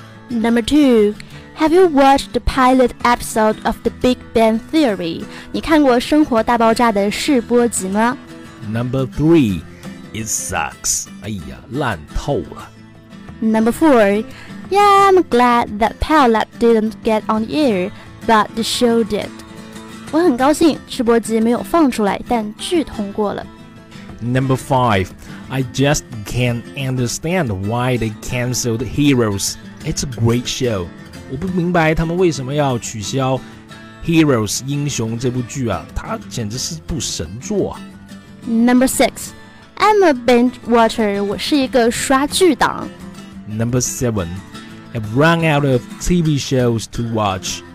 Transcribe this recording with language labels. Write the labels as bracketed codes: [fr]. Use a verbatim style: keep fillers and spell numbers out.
[en] Number two, have you watched the pilot episode of The Big Bang Theory? [zh] 你看过《生活大爆炸》的试播集吗 [en] ？Number three, it sucks. [zh] 哎呀，烂透了。 [en] Number four, yeah, I'm glad that pilot didn't get on the air. But the show did. [zh] 我很高兴试播集没有放出来，但剧通过了。 [en] Number five, I just can't understand why they canceled Heroes. It's a great show. [zh] 我不明白他们为什么要取消 Heroes 英雄这部剧啊，它简直是部神作啊。 [en] Number six, I'm a binge watcher. [zh] 我是一个刷剧党。 [en] Number seven, I've run out of T V shows to watch.